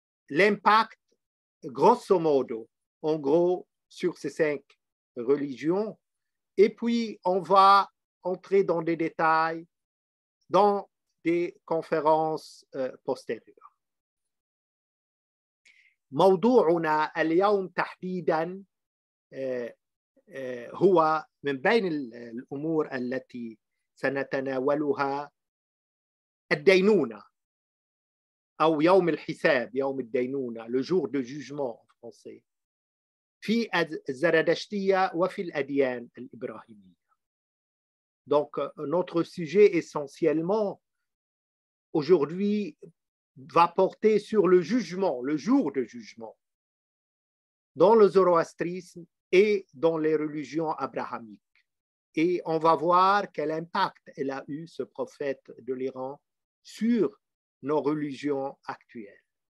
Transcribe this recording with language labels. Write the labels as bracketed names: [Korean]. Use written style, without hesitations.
[French] L'impact, grosso modo, en gros, sur ces cinq religion, et puis on va entrer dans des détails dans des conférences postérieures. [Arabic] موضوعنا اليوم تحديدا هو من بين الأمور التي سنتناولها الدينونة أو يوم الحساب يوم الدينونة [French] le jour de jugement en français [Arabic] في الزرادشتية وفي الأديان الإبراهيمية. [French] Donc notre sujet essentiellement aujourd'hui va porter sur le jugement, le jour de jugement, dans le zoroastrisme et dans les religions abrahamiques. Et on va voir quel impact elle a eu, ce prophète de l'Iran, sur nos religions actuelles.